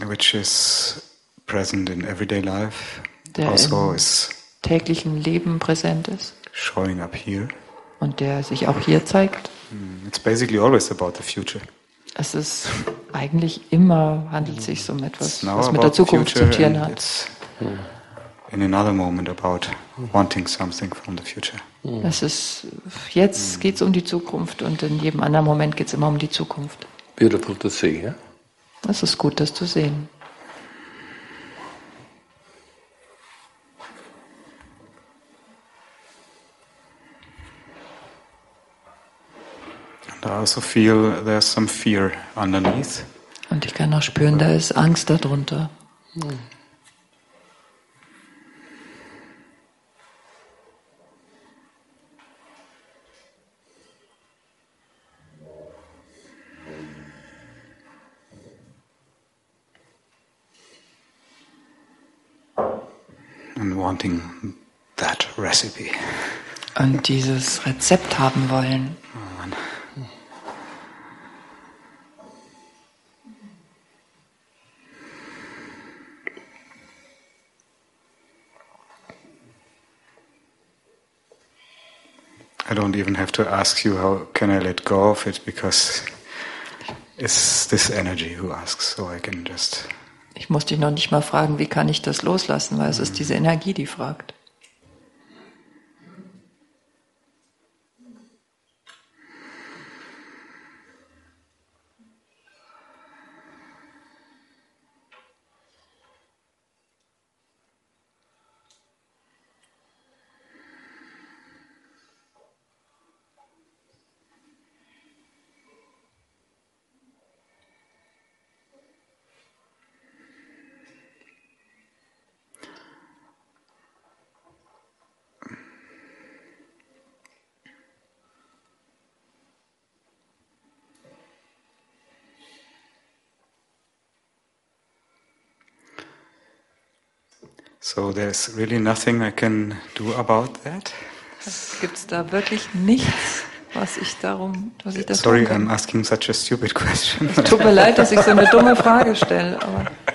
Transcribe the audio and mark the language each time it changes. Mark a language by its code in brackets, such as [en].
[en] Which is present in everyday life. [de] Der also im täglichen Leben präsent ist. [en] Showing up here. [de] Und der sich auch hier zeigt. [en] It's basically always about the future. [de] Es ist eigentlich immer handelt sich um etwas, was mit der Zukunft zu tun hat. [en] It's in another moment about wanting something from the future. [de] Das ist, jetzt geht's um die Zukunft und in jedem anderen Moment geht's immer um die Zukunft. [en] Beautiful to see, yeah? [de] Das ist gut, das zu sehen. [en] And I also feel there's some fear underneath. [de] Und ich kann auch spüren, da ist Angst darunter. [en] Wanting that recipe. [de] Und dieses Rezept haben wollen. Oh Mann. [en] I don't even have to ask you how can I let go of it because it's this energy who asks, so I can just. [de] Ich muss dich noch nicht mal fragen, wie kann ich das loslassen, weil es ist diese Energie, die fragt. [en] So there's really nothing I can do about that. [de] Gibt's da wirklich nichts, was ich darum, dass ich das [en] Sorry, I'm asking such a stupid question. [de] Es tut mir leid, dass ich so eine dumme Frage stelle, aber